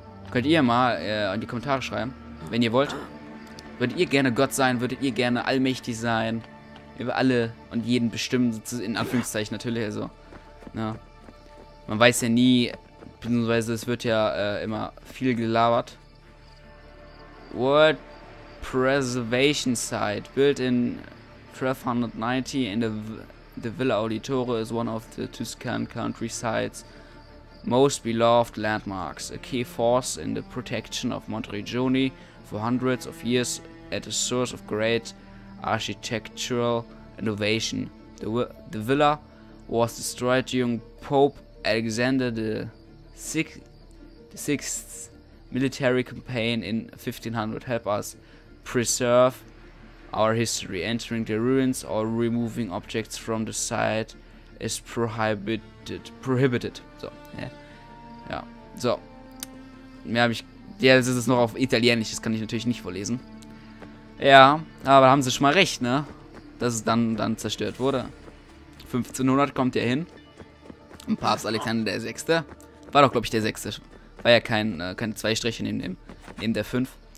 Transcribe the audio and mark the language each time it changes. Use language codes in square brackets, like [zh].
[de] Könnt ihr mal in die Kommentare schreiben, wenn ihr wollt. Würdet ihr gerne Gott sein, würdet ihr gerne allmächtig sein, über alle und jeden bestimmen, in Anführungszeichen natürlich, also. Ja. Man weiß ja nie, beziehungsweise es wird ja immer viel gelabert. [en] World Preservation Site, built in 1290 in the... The Villa Auditore is one of the Tuscan countryside's most beloved landmarks, a key force in the protection of Montrigioni for hundreds of years and a source of great architectural innovation. The villa was destroyed during Pope Alexander VI's military campaign in 1500. Help us preserve our history. Entering the ruins or removing objects from the site is prohibited. [de] Prohibited. So, ja. Ja. So. Mehr habe ich. Ja, das ist noch auf Italienisch. Das kann ich natürlich nicht vorlesen. Ja, aber haben sie schon mal recht, ne? Dass es dann zerstört wurde. 1500 kommt ja hin. Und Papst Alexander der VI. War doch, glaube ich, der VI. War ja kein keine zwei Striche neben der 5.